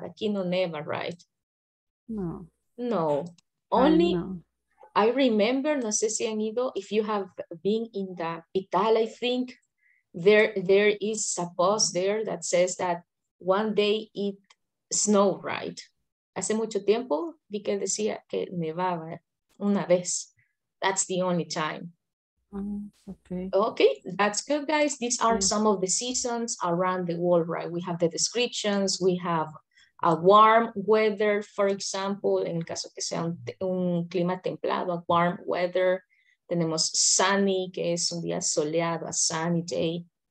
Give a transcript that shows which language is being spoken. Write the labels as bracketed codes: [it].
[es] Aquí no neva, right? No. No. [en] Only I remember, [es] no sé si han ido, [en] if you have been in the Italy, I think there is a post there that says that one day it snow, right? [es] Hace mucho tiempo vi que decía que nevaba una vez. [en] That's the only time. Okay, that's good, guys. These are some of the seasons around the world, right? We have the descriptions. We have a warm weather, for example, [es] en el caso que sea un clima templado, [en] a warm weather. [es] Tenemos sunny, que es un día soleado, [en] a sunny day.